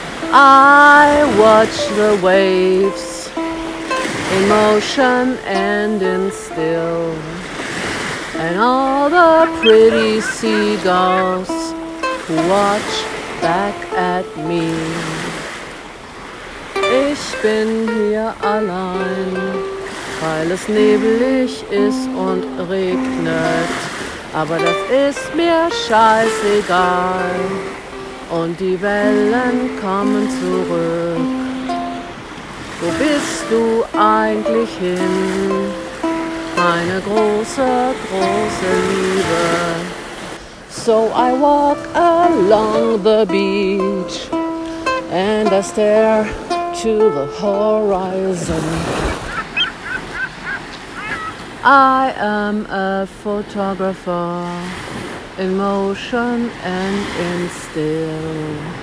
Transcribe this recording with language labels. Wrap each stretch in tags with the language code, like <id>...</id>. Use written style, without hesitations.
<en>I watch the waves in motion and in still, and all the pretty seagulls who watch back at me.</en> <de>Ich bin hier allein, weil es nebelig ist und regnet, aber das ist mir scheißegal. Und die Wellen kommen zurück. Wo bist du eigentlich hin, meine große, große Liebe?</de> <en>So I walk along the beach and I stare to the horizon. I am a photographer in motion and in still.</en>